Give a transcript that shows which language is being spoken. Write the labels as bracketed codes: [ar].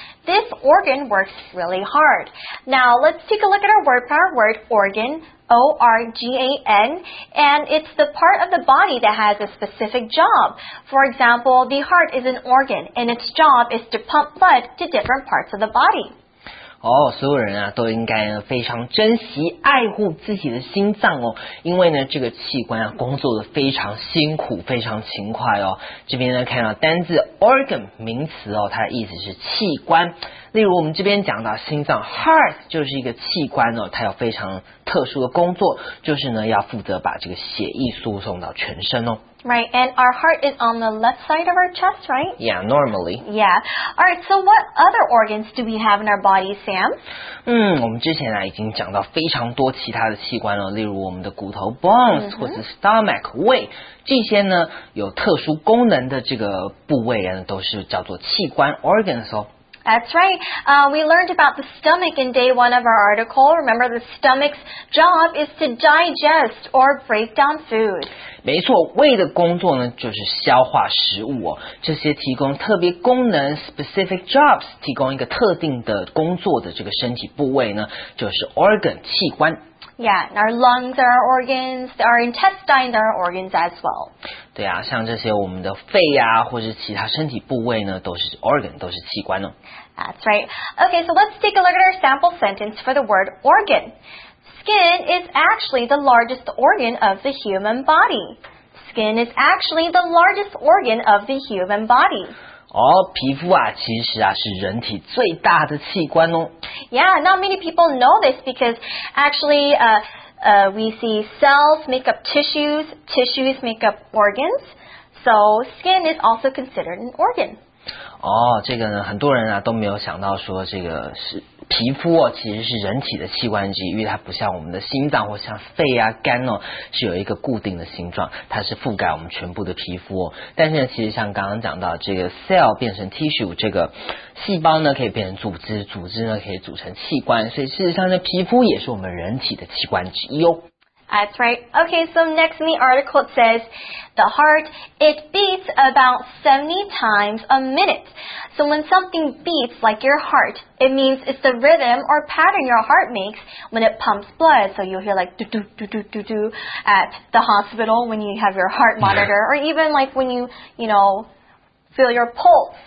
[en] This organ works really hard. Now, let's take a look at our word for our word, organ, organ, and it's the part of the body that has a specific job. For example, the heart is an organ, and its job is to pump blood to different parts of the body. [zh] 哦，所有人啊，都应该非常珍惜、爱护自己的心脏哦，因为呢，这个器官啊，工作的非常辛苦、非常勤快哦。这边呢，看到单字 organ 名词哦，它的意思是器官。例如我们这边讲到心脏 heart 就是一个器官哦，它有非常特殊的工作，就是呢要负责把这个血液输送到全身哦。 [en] Right, and our heart is on the left side of our chest, right? Yeah, normally. Yeah. All right, so what other organs do we have in our body, Sam? [zh] 我们之前啊已经讲到非常多其他的器官了，例如我们的骨头 bones、mm-hmm. 或是 stomach 胃，这些呢有特殊功能的这个部位啊，都是叫做器官 organs 哦。 [en] That's right. We learned about the stomach in day one of our article. Remember, the stomach's job is to digest or break down food. [zh] 没错，胃的工作呢就是消化食物哦。这些提供特别功能 [en] specific jobs， [zh] 提供一个特定的工作的这个身体部位呢，就是 organ 器官。 [en] Yeah, our lungs are our organs, our intestines are our organs as well. [zh] 对啊，像这些我们的肺啊，或是其他身体部位呢，都是 organ， 都是器官哦。 [en] That's right. Okay, so let's take a look at our sample sentence for the word organ. Skin is actually the largest organ of the human body. Skin is actually the largest organ of the human body. [zh] 哦，皮肤啊，其实啊是人体最大的器官哦。 [en] Yeah, not many people know this because actually, we see cells make up tissues, tissues make up organs, so skin is also considered an organ. [zh] 哦，这个呢，很多人啊都没有想到说这个是皮肤哦，其实是人体的器官之一，因为它不像我们的心脏或像肺啊、肝哦，是有一个固定的形状，它是覆盖我们全部的皮肤哦。但是呢，其实像刚刚讲到这个 cell 变成 tissue， 这个细胞呢可以变成组织，组织呢可以组成器官，所以事实上呢，皮肤也是我们人体的器官之一哦。 [en] That's right. Okay, so next in the article it says, the heart, it beats about 70 times a minute. So when something beats like your heart, it means it's the rhythm or pattern your heart makes when it pumps blood. So you'll hear like do-do-do-do-do-do at the hospital when you have your heart monitor, or even like when you, you know, feel your pulse.